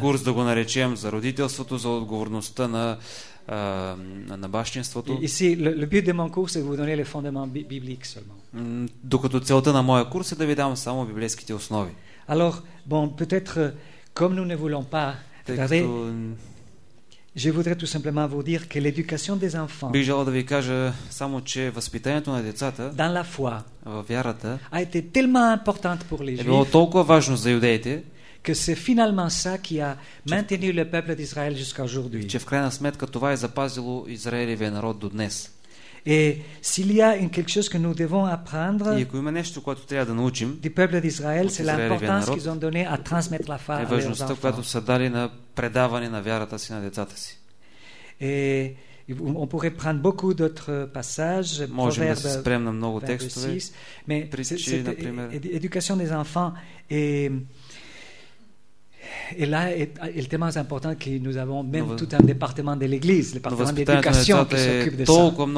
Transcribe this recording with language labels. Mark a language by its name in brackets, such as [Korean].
[Bulgarian] Курс да го наречем за родителството, за отговорността на бащинството. [French] Ici, le but de mon cours, c'est de vous donner les fondements bibliques seulement. [Bulgarian] Докато целта на моя курс е да ви дам само библейските основи. [French] Alors, bon, peut-être, comme nous ne voulons pas tarder, je voudrais tout simplement vous dire que l'éducation des enfants [Bulgarian] бих желал да ви кажа само, че възпитанието на децата [French] dans la foi, [Bulgarian] във вярата [French] a été tellement importante pour les juifs, [Bulgarian] е било толкова важно за юдеите, [French] que c'est finalement ça qui a maintenu le peuple d'Israël jusqu'à aujourd'hui. [Bulgarian] Че в крайна сметка това е запазило Израелевия народ до днес. [French] Et s'il y a quelque chose que nous devons apprendre, [Bulgarian] и ако има нещо, което трябва да научим, [French] du peuple d'Israël, c'est l'importance qu'ils ont donné à transmettre la foi à leurs enfants. [Bulgarian] Е важността, която са дали на предаване на вярата си на децата си. [French] Et on pourrait prendre beaucoup d'autres passages, [Bulgarian] можем да се спрем на много текстове, [French] mais éducation des enfants et Et là, et le thème est important que nous avons même tout un département de l'Église, le département d'éducation qui s'occupe de ça.